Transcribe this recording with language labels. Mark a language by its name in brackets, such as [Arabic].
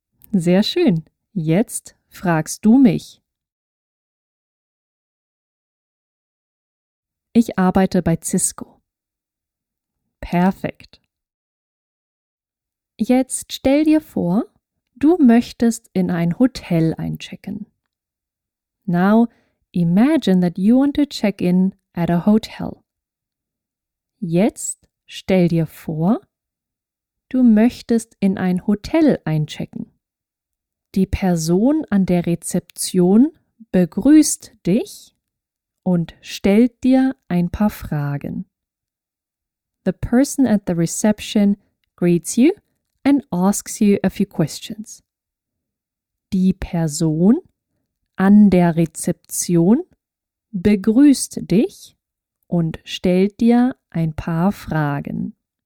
[German] Sehr schön. Jetzt fragst du mich. Ich arbeite bei Cisco. Perfekt. Jetzt stell dir vor, du möchtest in ein Hotel einchecken. [English] Now imagine that you want to check in at a hotel. [German] Jetzt stell dir vor, du möchtest in ein Hotel einchecken. Die Person an der Rezeption begrüßt dich und stellt dir ein paar Fragen. [English] The person at the reception greets you and asks you a few questions. [German] Die Person an der Rezeption begrüßt dich und stellt dir ein paar Fragen.